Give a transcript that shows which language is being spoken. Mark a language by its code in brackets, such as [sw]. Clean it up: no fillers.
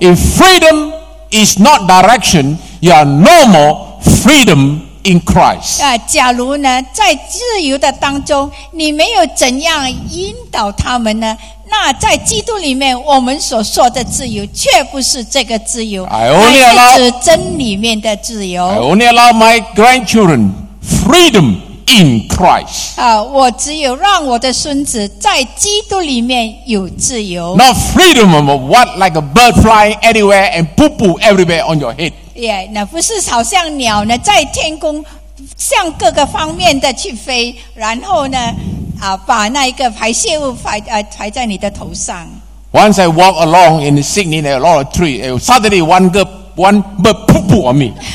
[en] If freedom is not direction, you are no more freedom. In Christ. [zh] 假如呢，在自由的当中，你没有怎样引导他们呢？那在基督里面，我们所说的自由，却不是这个自由，而是真里面的自由。 [en] I only allow my grandchildren freedom in Christ. [zh] 我只有让我的孙子在基督里面有自由。 [en] Not freedom of what like a bird flying anywhere and poo poo everywhere on your head. [zh] Yeah, 那不是好像鸟呢在天空向各个方面的去飞，然后呢把那一个排泄物排在你的头上。 [en] Once I walk along in Sydney, there are a lot of trees. Suddenly, one bird poo poo on me.